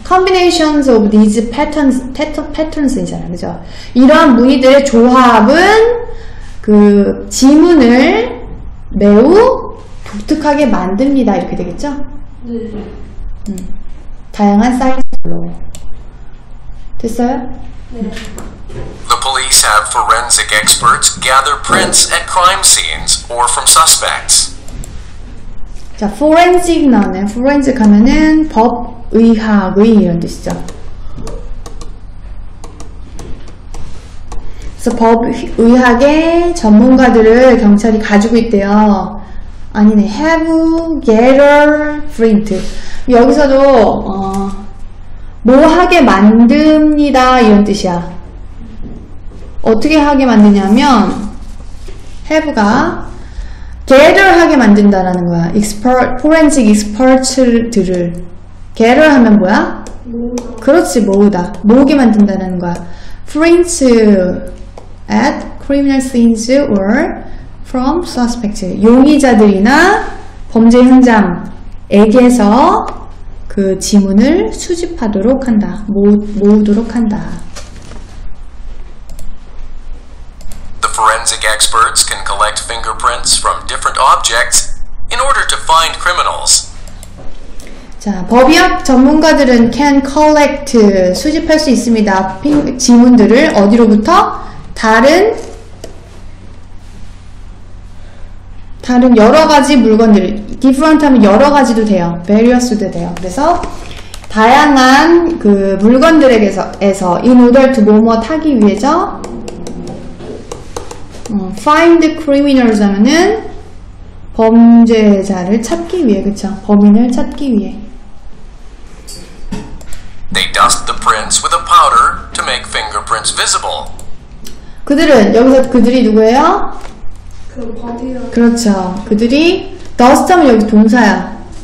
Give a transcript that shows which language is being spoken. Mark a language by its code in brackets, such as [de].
[en] combinations of these patterns이잖아요. [ko] 그죠? 이러한 무늬들의 조합은 그 지문을 매우 독특하게 만듭니다. 이렇게 되겠죠? 네. 다양한 사이즈로. 됐어요? 네. [en] The police have forensic experts gather prints at crime scenes or from suspects. [ko] 자, forensic 나오네. forensic 하면은 법, 의학의 이런 뜻이죠. 그래서 법 의학의 전문가들을 경찰이 가지고 있대요. 아니네, [en] have getter print. [ko] 여기서도 뭐 하게 만듭니다 이런 뜻이야. 어떻게 하게 만드냐면 have가 getter 하게 만든다라는 거야. forensic expert들을 getter 하면 뭐야? 그렇지, 모으다. 모으게 만든다는 거야. [en] Print at criminal scenes or from suspects. [ko] 용의자들이나 범죄 현장에게서 그 지문을 수집하도록 한다. 모으도록 한다. [en] The forensic experts can collect fingerprints from different objects in order to find criminals. [ko] 자, 법의학 전문가들은 [en] can collect, [ko] 수집할 수 있습니다. 지문들을 어디로부터? 다른 여러 가지 물건들, different 하면 여러 가지도 돼요. various도 돼요. 그래서, 다양한 그 물건들에게서, [en] in order to [ko] 뭐뭐 타기 위해서, [en] find criminals [ko] 하면은, 범죄자를 찾기 위해, 그쵸? 범인을 찾기 위해. [en] They dust the prints with a powder to make fingerprints visible. [ko] 그들은 여기서 그들이 누구예요? 그 바디요. 그렇죠. 그들이 dust하면 여기 동사야.